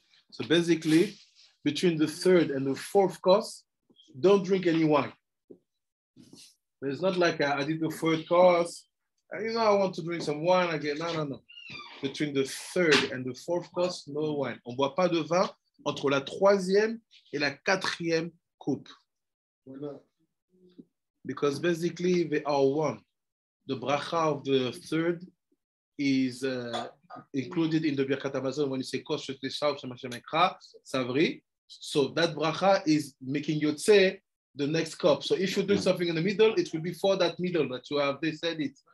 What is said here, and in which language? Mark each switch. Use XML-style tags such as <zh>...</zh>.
<en>So basically, between the third and the fourth cos, don't drink any wine. But it's not like I did the first course. You know, I want to drink some wine again. No. between the third and the fourth course, no wine.</en> <fr>On ne boit pas de vin entre la troisième et la quatrième coupe.</fr> <en>Because basically they are one. The bracha of the third is included in the Birkat Hamazon when you say kosh shetishav shemashemekra savri. So that bracha is making you say the next cup. So if you do something in the middle, it will be for that middle that you have. They said it.</en>